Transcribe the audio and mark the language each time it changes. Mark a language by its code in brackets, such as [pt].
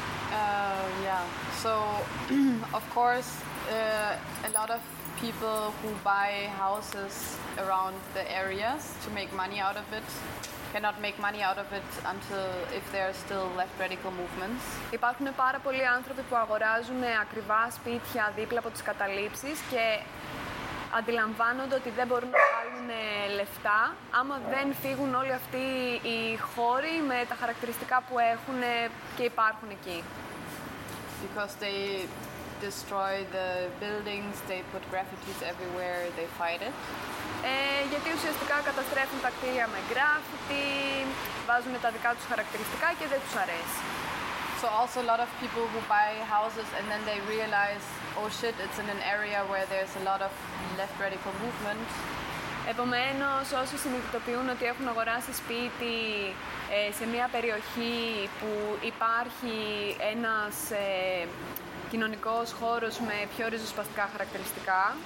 [en] Yeah, so of course a lot of people who buy houses around the areas to make money out of it cannot make money out of it until if there are still left radical movements. [el] Υπάρχουν πάρα πολλοί άνθρωποι που αγοράζουν ακριβά σπίτια δίπλα από τις καταλήψεις και αντιλαμβάνονται ότι δεν μπορούν να βάλουν λεφτά άμα δεν φύγουν όλοι αυτοί οι χώροι με τα χαρακτηριστικά που έχουν και υπάρχουν εκεί. [en] Because they destroy the buildings, they put graffiti everywhere, they fight it. [el] Γιατί ουσιαστικά καταστρέφουν τα κτίρια με graffiti, βάζουν τα δικά τους χαρακτηριστικά και δεν τους αρέσει. [en] So also a lot of people who buy houses and then they realize, oh shit, it's in an area where there's a lot of left radical movement. [el] Επομένως, όσοι συνειδητοποιούν ότι έχουν αγοράσει σπίτι σε μια περιοχή που υπάρχει ένας κοινωνικός χώρος με πιο ριζοσπαστικά χαρακτηριστικά,